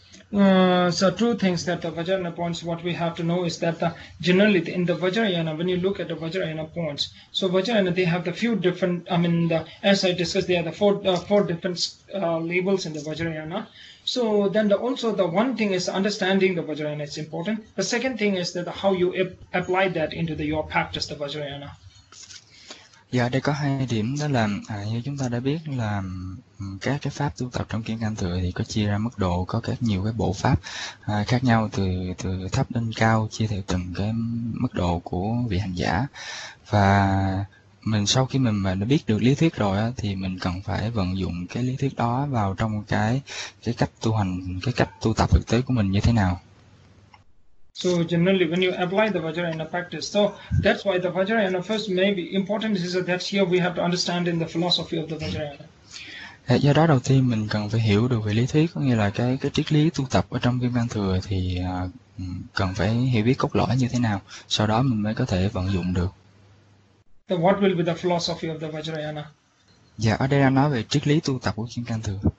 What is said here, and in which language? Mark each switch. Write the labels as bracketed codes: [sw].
[en] So two things that the Vajrayana points, what we have to know is that generally in the Vajrayana, when you look at the Vajrayana points, so Vajrayana, they have the few different, I mean, as I discussed, they are the four different labels in the Vajrayana. So then also the one thing is understanding the Vajrayana is important. The second thing is that how you apply that into your practice, the Vajrayana. [vi] Dạ, đây có hai điểm, đó là như chúng ta đã biết là các cái pháp tu tập trong Kim Cang Thừa thì có chia ra mức độ, có các nhiều cái bộ pháp khác nhau từ từ thấp đến cao, chia theo từng cái mức độ của vị hành giả. Và mình sau khi mình mà đã biết được lý thuyết rồi á, thì mình cần phải vận dụng cái lý thuyết đó vào trong cái cách tu hành, cái cách tu tập thực tế của mình như thế nào. [en] So generally when you apply the Vajrayana practice, so that's why the Vajrayana first may be important is that here we have to understand in the philosophy of the Vajrayana. [vi] Do đó đầu tiên mình cần phải hiểu được về lý thuyết, có nghĩa là cái triết lý tu tập ở trong Kim Cang Thừa thì cần phải hiểu biết cốt lõi như thế nào, sau đó mình mới có thể vận dụng được. [en] What will be the philosophy of the Vajrayana? [vi] Dạ, ở đây đang nói về triết lý tu tập của Kim Cang Thừa.